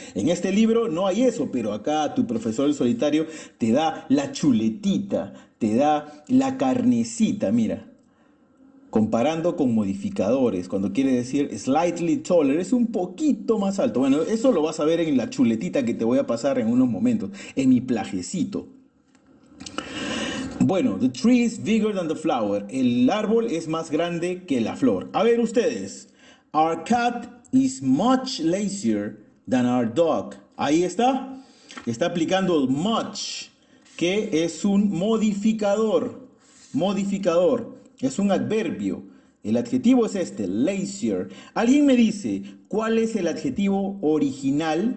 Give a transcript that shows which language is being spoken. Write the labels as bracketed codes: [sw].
[es] En este libro no hay eso, pero acá tu profesor el solitario te da la chuletita, te da la carnecita, mira. Comparando con modificadores, cuando quiere decir [en] slightly taller, [es] es un poquito más alto. Bueno, eso lo vas a ver en la chuletita que te voy a pasar en unos momentos, en mi plajecito. Bueno, [en] the tree is bigger than the flower. [es] El árbol es más grande que la flor. A ver ustedes. [en] Our cat is much lazier than our dog. [es] Ahí está. Está aplicando el much, que es un modificador. Modificador. Es un adverbio. El adjetivo es este, lazier. ¿Alguien me dice cuál es el adjetivo original?